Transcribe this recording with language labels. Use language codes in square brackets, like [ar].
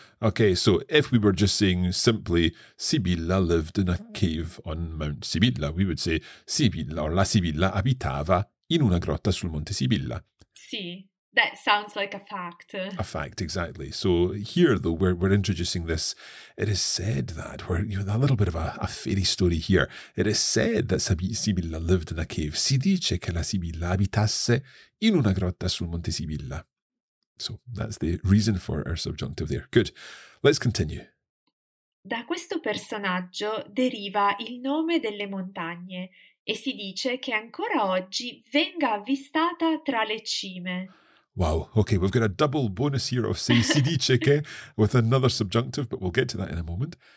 [en] Okay, so if we were just saying simply, Sibilla lived in a cave on Mount Sibilla, we would say, Sibilla or [it] la Sibilla abitava in una grotta sul Monte Sibilla. [en] Sì. That sounds like a fact. A fact, exactly. So here, though, we're introducing this. It is said that, we're, you know, a little bit of a fairy story here. It is said that Sibilla lived in a cave. [it] Si dice che la Sibilla abitasse in una grotta sul Monte Sibilla. [en] So that's the reason for our subjunctive there. Good. Let's continue. [it] Da questo personaggio deriva il nome delle montagne e si dice che ancora oggi venga avvistata tra le cime. [en] Wow, okay, we've got a double bonus here of say, [it] si dice che, [en] with another subjunctive, but we'll get to that in a moment.